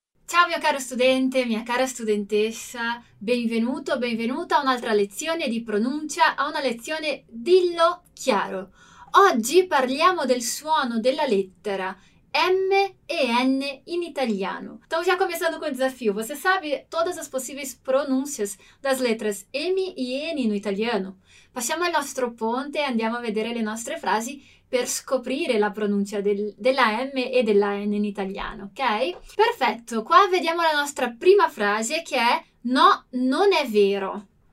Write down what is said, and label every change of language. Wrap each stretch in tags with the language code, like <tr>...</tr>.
<it>Ciao mio caro studente, mia cara studentessa, benvenuto, benvenuta a un'altra lezione di pronuncia, a una lezione Dillo chiaro. Oggi parliamo del suono della lettera M e N in italiano.</it> <pt>Estamos já começando com o desafio. Você sabe todas as possíveis pronúncias das letras M e N no italiano?</pt> <it>Passiamo al nostro ponte e andiamo a vedere le nostre frasi per scoprire la pronuncia della M e della N in italiano, ok? Perfetto, qua vediamo la nostra prima frase che è no, non è vero.</it>